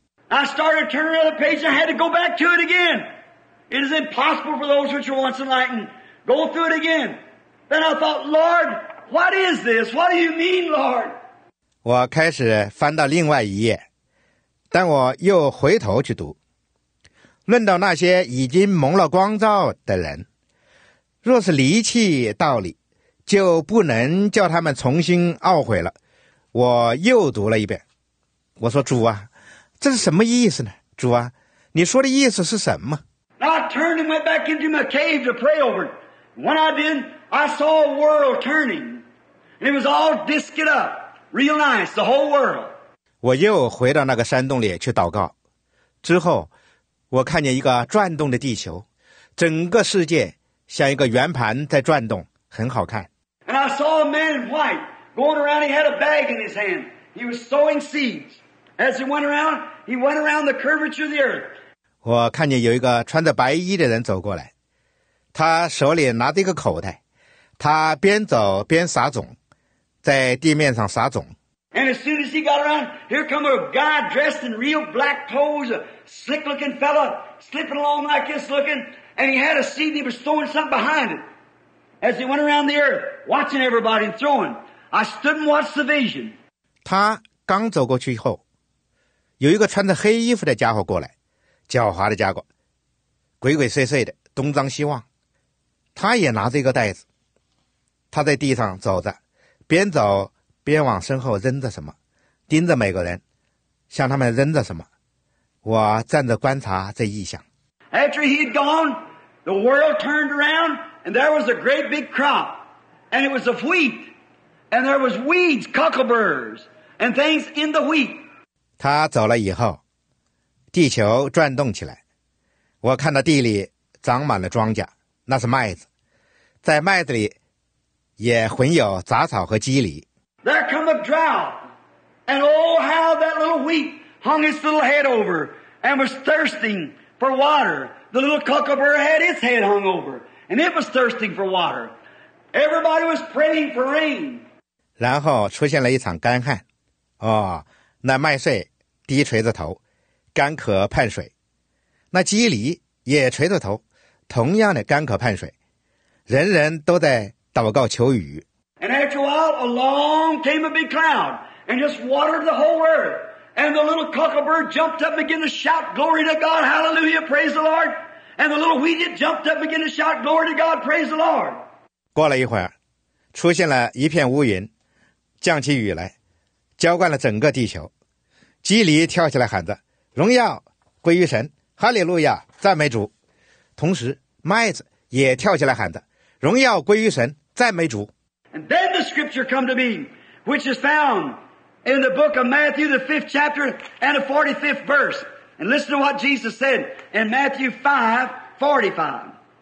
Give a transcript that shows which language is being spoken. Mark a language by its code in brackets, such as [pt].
[en] I started turning another page and I had to go back to it again. It is impossible for those which are once enlightened. Go through it again. Then I thought, Lord, what is this? What do you mean, Lord? [zh] 我开始翻到另外一页，但我又回头去读，论到那些已经蒙了光照的人，若是离弃道理，就不能叫他们重新懊悔了。我又读了一遍，我说，主啊，这是什么意思呢？主啊，你说的意思是什么？ [en] I turned and went back into my cave to pray over it. When I did, I saw a world turning. And it was all disked up, real nice, the whole world. [zh] 我又回到那个山洞里去祷告，之后我看见一个转动的地球，整个世界像一个圆盘在转动，很好看。 [en] And I saw a man in white going around. He had a bag in his hand. He was sowing seeds. As he went around the curvature of the earth. [zh] 我看见有一个穿着白衣的人走过来，他手里拿着一个口袋，他边走边撒种，在地面上撒种。 [en] And as soon as he got around, here come a guy dressed in real black clothes, a slick looking fella, slipping along like this looking, and he had a seed and he was sowing something behind it. As he went around the earth, watching everybody and throwing, I stood and watched the vision. [zh] 他刚走过去以后，有一个穿着黑衣服的家伙过来，狡猾的家伙，鬼鬼祟祟的，东张西望。他也拿着一个袋子，他在地上走着，边走边往身后扔着什么，盯着每个人，向他们扔着什么。我站着观察这异象。 [en] After he had gone, the world turned around. And there was a great big crop, and it was of wheat, and there was weeds, cockleburrs, and things in the wheat. [zh] 他走了以后，地球转动起来，我看到地里长满了庄稼，那是麦子，在麦子里也混有杂草和蒺藜。 [en] There come a drought, and oh, how that little wheat hung its little head over and was thirsting for water. The little cuckoo had its head hung over and it was thirsting for water. Everybody was praying for rain. [zh] 然后出现了一场干旱。哦，那麦穗低垂着头，干渴盼水。那鸡犁也垂着头，同样的干渴盼水。人人都在祷告求雨。 [en] And after a while, along came a big cloud and just watered the whole earth. And the little cuckoo jumped up and began to shout, Glory to God, hallelujah, praise the Lord. And the little wheat jumped up and began to shout, Glory to God, praise the Lord. [zh] 过了一会儿，出现了一片乌云，降起雨来，浇灌了整个地球。鸡犁跳起来喊着，荣耀归于神，哈利路亚，赞美主。同时麦子也跳起来喊着，荣耀归于神，赞美主。 [en] And then the scripture come to me, which is found in the book of Matthew, the 5th chapter and the 45th verse. And listen to what Jesus said in Matthew 5:45.